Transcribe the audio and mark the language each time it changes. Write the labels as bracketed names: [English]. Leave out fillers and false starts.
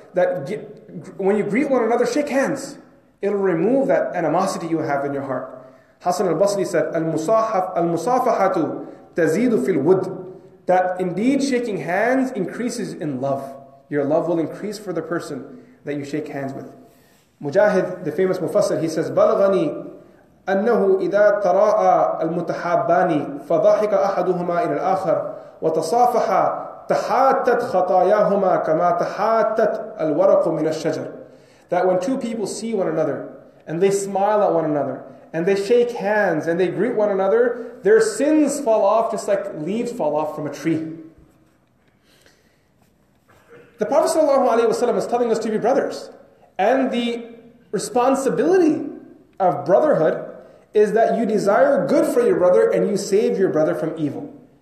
[English] That when you greet one another, shake hands. It'll remove that animosity you have in your heart. [Arabic] Hassan al-Basri [English] said, [Arabic] al-musafahatu tazidu fil wud. [English] That indeed shaking hands increases in love. Your love will increase for the person that you shake hands with. Mujahid, the famous Mufassir, he says, [Arabic] بَلْغَنِي أَنَّهُ إِذَا تَرَاءَ الْمُتَحَابَّانِ فَضَاحِكَ أَحَدُهُمَا إِلَى الْآخَرِ وَتَصَافَحَ تَحَاتَتْ خَطَايَاهُمَا كَمَا تَحَاتَتْ الْوَرَقُ مِنَ الشَّجَرِ. [English] That when two people see one another, and they smile at one another, and they shake hands, and they greet one another, their sins fall off just like leaves fall off from a tree. The Prophet sallallahu alayhi wa sallam is telling us to be brothers. And the responsibility of brotherhood is that you desire good for your brother and you save your brother from evil.